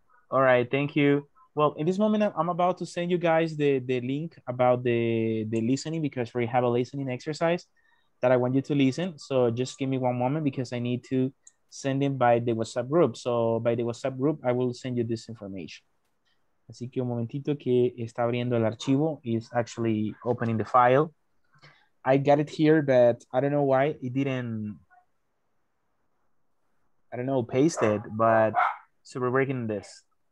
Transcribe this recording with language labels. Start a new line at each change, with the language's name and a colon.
English: All right. Thank you. Well, in this moment, I'm about to send you guys the link about the listening because we have a listening exercise that I want you to listen. So just give me 1 moment because I need to send it by the WhatsApp group. So by the WhatsApp group, I will send you this information.
Spanish: Así que un momentito que está abriendo el archivo.
English: It's actually opening the file. I got it here, but I don't know why it didn't, I don't know, paste it, but so we're working on this.